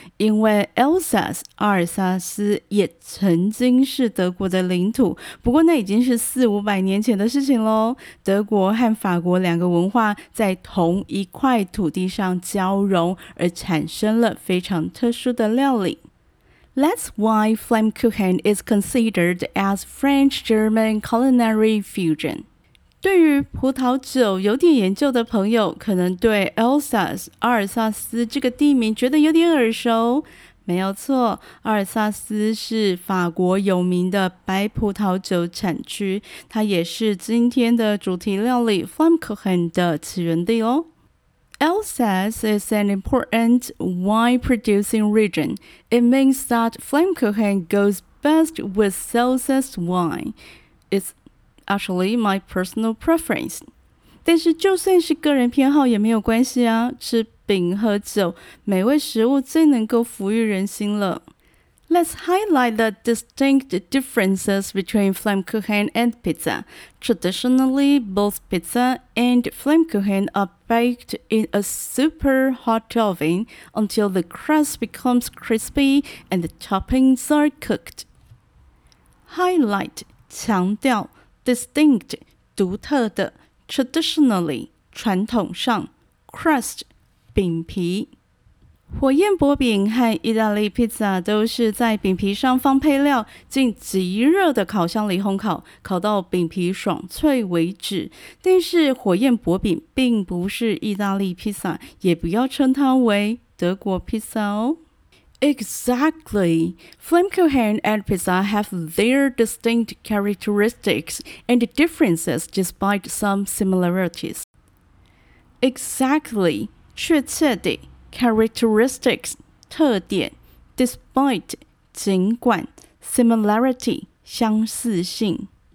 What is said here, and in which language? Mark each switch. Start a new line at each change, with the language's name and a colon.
Chinese: 因为 Alsace, 阿尔萨斯也曾经是德国的领土，不过那已经是四五百年前的事情咯。德国和法国两个文化在同一块土地上交融，而产生了非常特殊的料理。
English: That's why Flammkuchen is considered as French-German culinary fusion.
Chinese: 对于葡萄酒有点研究的朋友，可能对 Alsace 阿尔萨斯这个地名觉得有点耳熟。没有错，阿尔萨斯是法国有名的白葡萄酒产区，它也是今天的主题料理 Flammkuchen 的起源地哦。
English: Alsace is an important wine-producing region. It means that Flammkuchen goes best with Alsace wine. It's actually my personal preference.
Chinese: 但是就算是个人偏好也没有关系啊，吃饼喝酒，美味食物最能够抚育人心了。
English: Let's highlight the distinct differences between Flammkuchen and pizza. Traditionally, both pizza and Flammkuchen are baked in a super hot oven until the crust becomes crispy and the toppings are cooked.
Chinese: Highlight, 强调, distinct, 独特的, traditionally, 传统上, crust, 饼皮。火焰薄饼和意大利披萨都是在饼皮上放配料，进极热的烤箱里烘烤，烤到饼皮爽脆为止。但是火焰薄饼并不是意大利披萨，也不要称它为德国披萨哦。
English: Exactly. Flame Cohen and Pizza have their distinct characteristics and differences despite some similarities.
Chinese: Exactly. 确切的 characteristics, 特点 despite, 尽管 similarity, 相似性。